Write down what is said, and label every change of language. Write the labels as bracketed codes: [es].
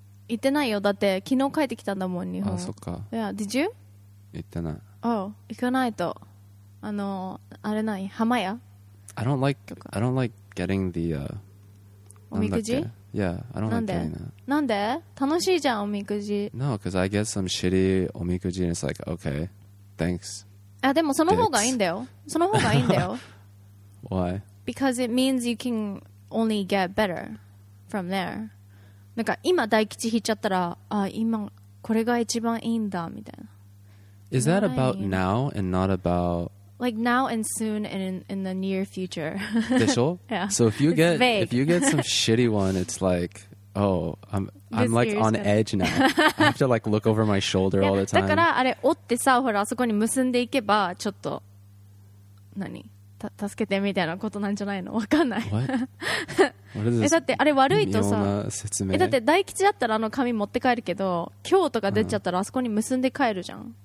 [ja] 行ってないよ。だって昨日帰ってきたんだもん日本。あ、そっか。 [en] Yeah, did you? [ja] 行ってない。 Oh, 行かないと。あの、あれない。浜屋？ [en] I don't like getting the [ja] おみくじ？ [en] Yeah, I don't like getting that. [ja] なんで？楽しいじゃんおみくじ。 [en] No, because I get some shitty おみくじ and it's like, okay, thanks. [ja] あ、でもその方がいいんだよ。その方がいいんだよ。 [en] Why? Because it means you can only get better from there. [ja] なんか今大吉引いちゃったら、あ、今これが一番いいんだみたいな。 [en] Is that about now and not about like now and soon and in the near future? [ja] でしょ? [en] Yeah. So if you get some shitty one, it's like, oh, I'm like on edge now. I have to like look over my shoulder all the time. [ja] だからあれ折ってさ、ほらあそこに結んでいけばちょっと何助けてみたいなことなんじゃないの？わかんない。 [en] What? [ja] だってあれ悪いとさ、説明。だって大吉だったらあの紙持って帰るけど、今日とか出ちゃったらあそこに結んで帰るじゃん。